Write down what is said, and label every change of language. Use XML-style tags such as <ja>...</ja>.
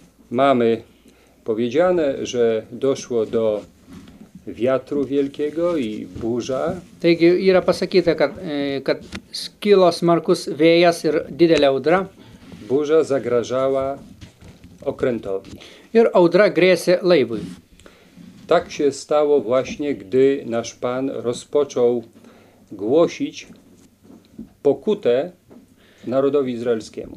<pl>Mamy powiedziane, że doszło do wiatru wielkiego i burza.</pl> <lt>Taigi yra pasakyta, kad skilo smarkus vėjas ir didelė audra.</lt> <pl>Burza zagrażała okrętowi.</pl> <lt>Ir audra grėsė laivui.</lt> <pl>Tak się stało właśnie, gdy nasz Pan rozpoczął głosić pokutę narodowi izraelskiemu.</pl>